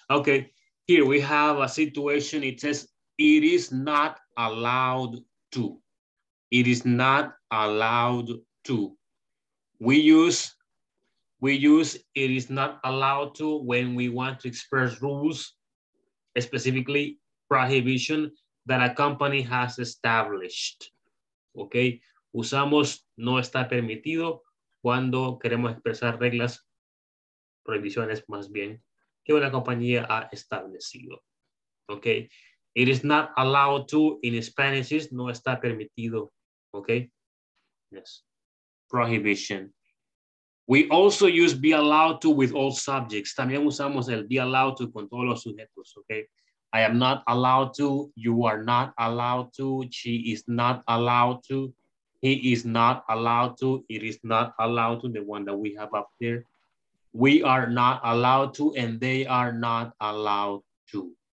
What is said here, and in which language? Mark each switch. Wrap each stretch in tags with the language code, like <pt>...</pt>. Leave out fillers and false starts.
<en>Okay, here we have a situation. It says, it is not allowed to. It is not allowed to. We use it is not allowed to when we want to express rules, specifically prohibition that a company has established.</en> <es>Ok, usamos no está permitido cuando queremos expresar reglas, prohibiciones más bien, que una compañía ha establecido.</es> <en>Ok, it is not allowed to, in Spanish, is</en> <es>no está permitido.</es> <en>Ok, yes, prohibition. We also use be allowed to with all subjects.</en> <es>También usamos el</es> <en>be allowed to</en> <es>con todos los sujetos, okay?</es> <en>I am not allowed to, you are not allowed to, she is not allowed to, he is not allowed to, it is not allowed to, the one that we have up there. We are not allowed to and they are not allowed to.</en>